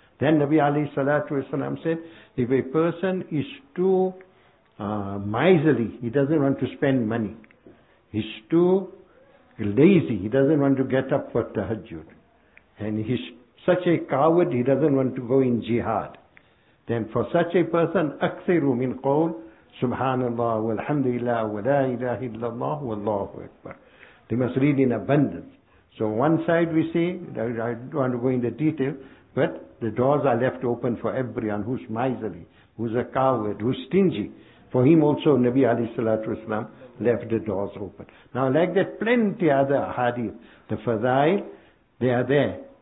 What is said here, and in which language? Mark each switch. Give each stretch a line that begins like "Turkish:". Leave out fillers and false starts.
English: Then Nabi alayhi salatu wasalam said, if a person is too miserly, he doesn't want to spend money. He's too lazy, he doesn't want to get up for tahajjud. And he's such a coward, he doesn't want to go in jihad. Then for such a person,
Arabic: أَكْثِرُ مِنْ قَوْلِ سُبْحَانَ اللَّهُ وَالْحَمْدُ لِلَّهِ وَلَا إِلَهِ إِلَّا اللَّهُ وَاللَّهُ أَكْبَرُ.
English: They must read in abundance. So one side we see, I don't want to go into detail, but the doors are left open for everyone who's miserly, who's a coward, who's stingy. For him also, Nabi alayhi salatu wasalam left the doors open. Now like that, plenty other hadith, the fadail, they are there.